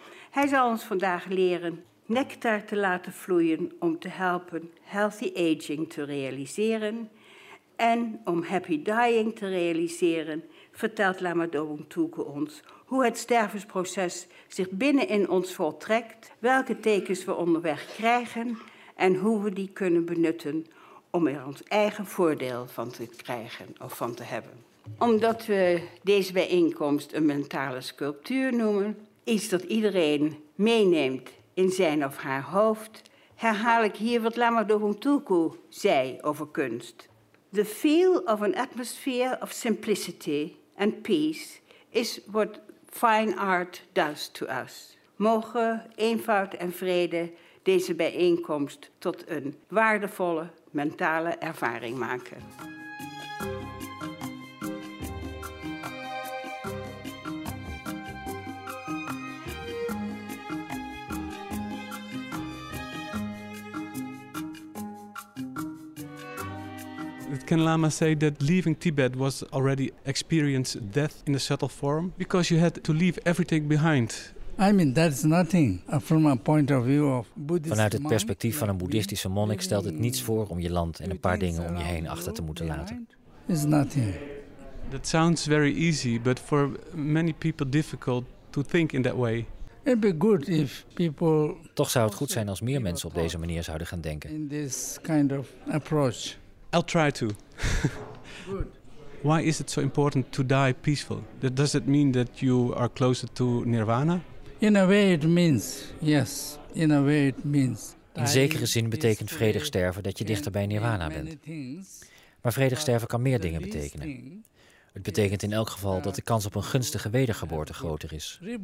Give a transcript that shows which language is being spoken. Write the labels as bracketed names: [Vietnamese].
[Dutch] Hij zal ons vandaag leren nectar te laten vloeien om te helpen [English] healthy aging [Dutch] te realiseren en om [English] happy dying [Dutch] te realiseren, vertelt Lama Dobun Tulku ons hoe het stervensproces zich binnenin ons voltrekt, welke tekens we onderweg krijgen en hoe we die kunnen benutten om er ons eigen voordeel van te krijgen of van te hebben. Omdat we deze bijeenkomst een mentale sculptuur noemen, iets dat iedereen meeneemt in zijn of haar hoofd, herhaal ik hier wat Lama Dobun Tulku zei over kunst. [English] The feel of an atmosphere of simplicity and peace is what fine art does to us. [Dutch] Mogen eenvoud en vrede deze bijeenkomst tot een waardevolle mentale ervaring maken. [English] Ken Lama say that leaving Tibet was already experienced death in a subtle form because you had to leave everything behind. I mean, that's nothing from a point of view of Buddhist. [Dutch] Vanuit het perspectief van een boeddhistische monnik stelt het niets voor om je land en een paar dingen om je heen achter te moeten laten. [English] It's nothing. That sounds very easy, but for many people difficult to think in that way. It'd be good if people. [Dutch] Toch zou het goed zijn als meer mensen op deze manier zouden gaan denken. [English] In this kind of approach. I'll try to. Good. Why is it so important to die peaceful? Does it mean that you are closer to nirvana? In a way it means, yes. In a way it means. [Dutch] In zekere zin betekent vredig sterven dat je dichter bij nirvana bent. Maar vredig sterven kan meer dingen betekenen. Het betekent in elk geval dat de kans op een gunstige wedergeboorte groter is.